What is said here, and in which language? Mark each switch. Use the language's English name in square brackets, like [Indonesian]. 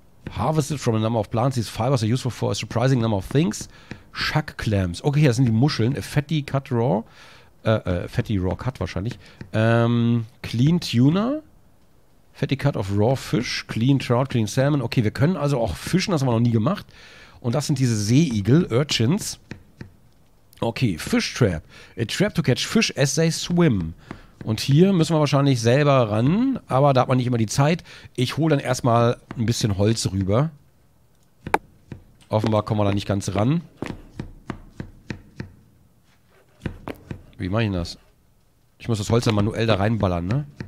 [English] Harvested from a number of plants. These fibers are useful for a surprising number of things. Shuck Clams. [German] Okay, das sind die Muscheln. [English] A fatty cut raw. Fatty raw cut wahrscheinlich. Clean Tuna. Fatty cut of raw fish. Clean Trout, Clean Salmon. [German] Okay, wir können also auch fischen. Das haben wir noch nie gemacht. Und das sind diese Seeigel, Urchins. Okay, Fish Trap. [English] A trap to catch fish as they swim. [German] Und hier müssen wir wahrscheinlich selber ran, aber da hat man nicht immer die Zeit. Ich hole dann erstmal ein bisschen Holz rüber. Offenbar kommen wir da nicht ganz ran. Wie mache ich das? Ich muss das Holz dann manuell da reinballern, ne?